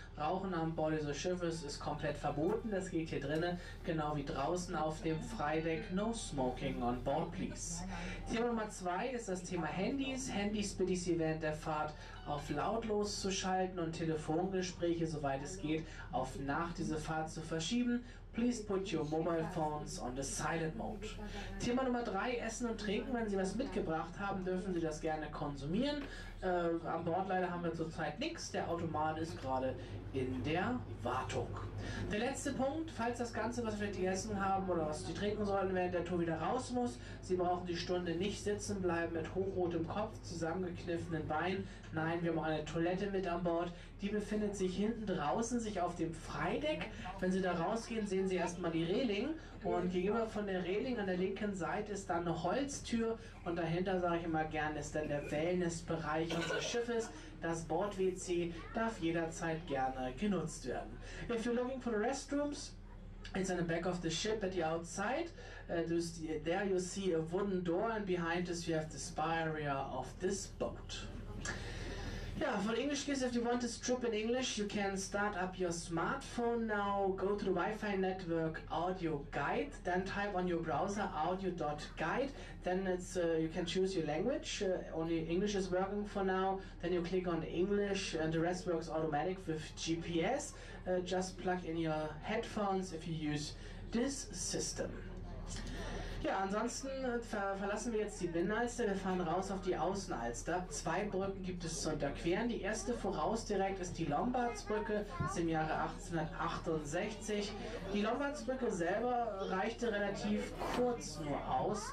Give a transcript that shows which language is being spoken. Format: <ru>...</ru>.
<de>Rauchen am Bord dieses Schiffes ist komplett verboten. Das geht hier drinnen, genau wie draußen auf dem Freideck.</de> <en>No smoking on board, please.</en> <de>Thema Nummer 2 ist das Thema Handys. Handys bitte ich Sie während der Fahrt auf lautlos zu schalten und Telefongespräche, soweit es geht, auf nach dieser Fahrt zu verschieben.</de> <en>Please put your mobile phones on the silent mode.</en> <de>Thema Nummer 3, Essen und Trinken. Wenn Sie was mitgebracht haben, dürfen Sie das gerne konsumieren. An Bord leider haben wir zurzeit nichts. Der Automat ist gerade in der Wartung. Der letzte Punkt, falls das Ganze, was wir gegessen haben oder was Sie trinken sollen, während der Tour wieder raus muss, Sie brauchen die Stunde nicht sitzen bleiben mit hochrotem Kopf, zusammengekniffenen Beinen. Nein, wir haben eine Toilette mit an Bord. Die befindet sich hinten draußen, sich auf dem Freideck. Wenn Sie da rausgehen, sehen Sie erstmal die Reling, und gegenüber von der Reling an der linken Seite ist dann eine Holztür, und dahinter, sage ich immer gerne, ist dann der Wellnessbereich unseres Schiffes. Das Bord-WC darf jederzeit gerne genutzt werden.</de> <en>If you're looking for the restrooms, it's in the back of the ship at the outside. There you see a wooden door, and behind us you have the spa area of this boat. Yeah, for English kids, if you want this trip in English, you can start up your smartphone now, go to the Wi-Fi network audio guide, then type on your browser audio.guide, then it's you can choose your language, only English is working for now, then you click on English, and the rest works automatic with GPS, just plug in your headphones if you use this system.</en> <de>Ja, ansonsten verlassen wir jetzt die Binnenalster, wir fahren raus auf die Außenalster. Zwei Brücken gibt es zu unterqueren. Die erste voraus direkt ist die Lombardsbrücke, ist im Jahre 1868. Die Lombardsbrücke selber reichte relativ kurz nur aus.</de>